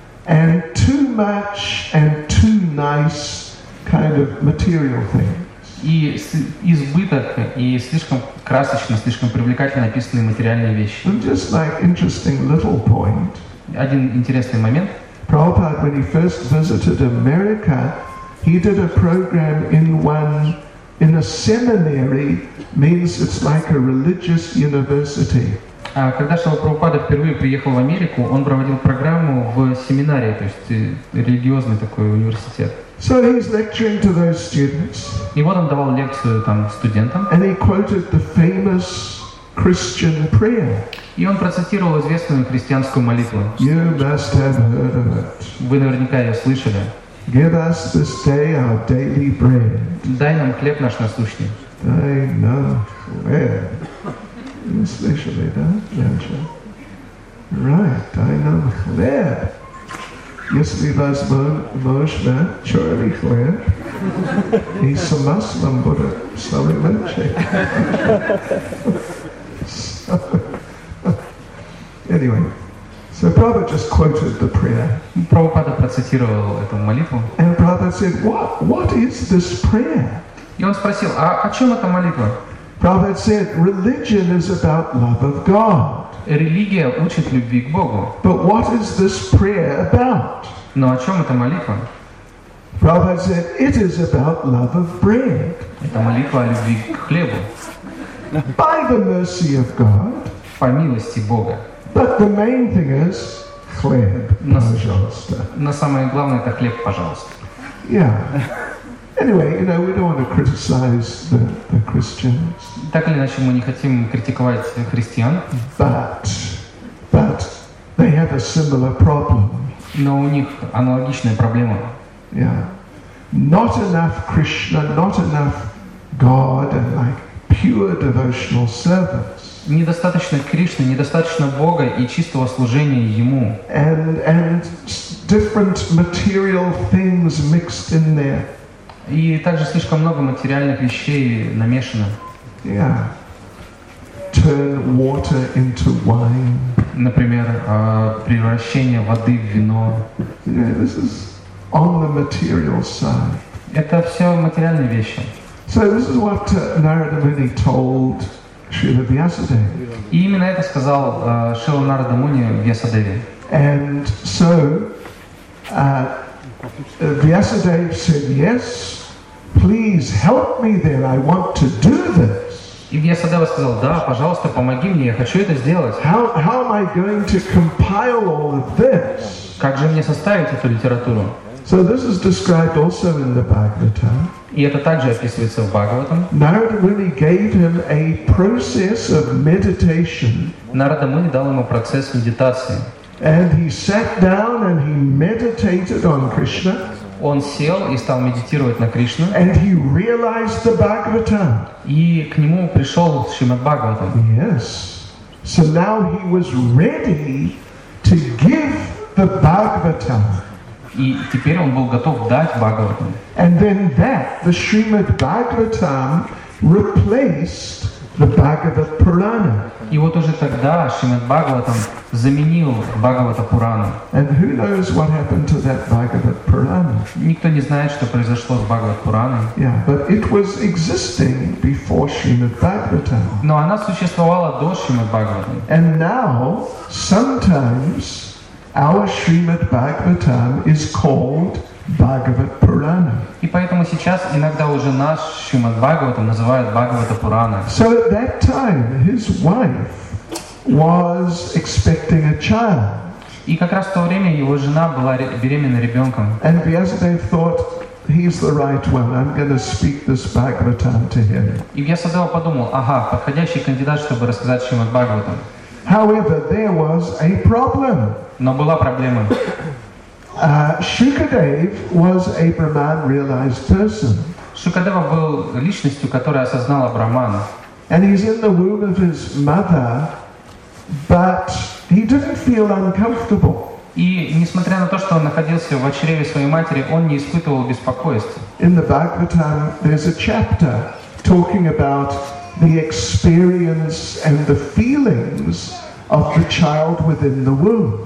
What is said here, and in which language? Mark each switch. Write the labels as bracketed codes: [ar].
[en] And too much and too nice kind of material things. [ru] И избыток, и слишком красочно, слишком привлекательно описанные материальные вещи. [en] Just like interesting little point. [ru] Один интересный момент. [en] Prabhupada, when he first visited America, he did a program in a seminary, means it's like a religious university. [ru] Когда Шрила Прабхупада впервые приехал в Америку, он проводил программу в семинарии, то есть религиозный такой университет. [en] So he's lecturing to those students. [ru] И вот он давал лекцию там студентам. [en] And he quoted the famous Christian prayer. [ru] И он процитировал известную христианскую молитву. [en] You must have heard of it. [ru] Вы наверняка ее слышали. [en] Give us this day our daily bread. [ru] Дай нам хлеб наш насущный. Дай нам хлеб. Вы слышали, да, Джанча? Right, дай нам хлеб. Если вас можно, черный хлеб, и с маслом будет соли мальчик. [en] Anyway, so Prabhupada just quoted the prayer. [ru] Prabhupada процитировал эту молитву. [en] And Prabhupada said, what is this prayer? [ru] И он спросил, а о чем эта молитва? [en] Prabhupada said, religion is about love of God. [ru] Религия учит любви к Богу. [en] But what is this prayer about? [ru] Но о чем эта молитва? [en] Prabhupada said, it is about love of bread. [ru] Это молитва о любви к хлебу. [en] By the mercy of God. [ru] По милости Бога. [en] But the main thing is [ru] хлеб, пожалуйста. Но самое главное это хлеб, пожалуйста. [en] Yeah. Anyway, you know, we don't want to criticize the Christians. [ru] Так или иначе, мы не хотим критиковать христиан. [en] But they have a similar problem. [ru] Но у них аналогичная проблема. [en] Yeah. Not enough Krishna, not enough God, and like pure devotional service. [ru] Недостаточно Кришны, недостаточно Бога и чистого служения Ему. [en] And different material things mixed in there. [ru] И также слишком много материальных вещей намешано. [en] Yeah. Turn water into wine. [ru] Например, превращение воды в вино. [en] Yeah, this is on the material side. [ru] Это все материальные вещи. [en] So this is what Narada Muni told Srila Vyasadeva. [ru] И именно это сказал Шрила Нарада Муни Вьясадеве. [en] And so Vyasadeva said, yes, please help me there, I want to do this. [ru] И Вьясадева сказал, да, пожалуйста, помоги мне, я хочу это сделать. [en] How am I going to compile all of this? [ru] Как же мне составить эту литературу? [en] So this is described also in the Bhagavatam. [ru] И это также описывается в Бхагаватам. [en] Narada Muni gave him a process of meditation. [ru] Narada Muni дал ему процесс медитации. [en] And he sat down and he meditated on Krishna. [ru] Он сел и стал медитировать на Кришну. [en] And he realized the Bhagavatam. [ru] И к нему пришел Шримад Бхагаватам. [en] Yes. So now he was ready to give the Bhagavatam. [ru] И теперь он был готов дать Бхагаватам. [en] And then that, the Srimad Bhagavatam, replaced the Bhagavat Purana. [ru] И вот уже тогда Шримад Бхагаватам заменил Бхагавата Пурану. [en] And who knows what happened to that Bhagavat Purana? [ru] Никто не знает, что произошло с Бхагават Пураной. [en] Yeah, but it was existing before Srimad Bhagavatam. [ru] Но она существовала до Шримад Бхагаватам. [en] And now, sometimes, our Srimad Bhagavatam is called Bhagavat Purana. [ru] И поэтому сейчас иногда уже наш Шримад Бхагаватам называют Бхагавата Пурана. [en] So at that time his wife was expecting a child. [ru] И как раз в то время его жена была беременна ребенком. [en] And Vyasadeva thought, he's the right one. I'm going to speak this Bhagavatam to him. [ru] И Вьясадева подумал, ага, подходящий кандидат, чтобы рассказать Шримад Бхагаватам. [en] However, there was a problem. [ru] Но была проблема. [en] Shukadev was a Brahman realized person. [ru] Shukadeva был личностью, которая осознала Брахмана. [en] And he's in the womb of his mother, but he didn't feel uncomfortable. [ru] И несмотря на то, что он находился в чреве своей матери, он не испытывал беспокойства. [en] In the Bhagavatam, there's a chapter talking about the experience and the feelings of the child within the womb.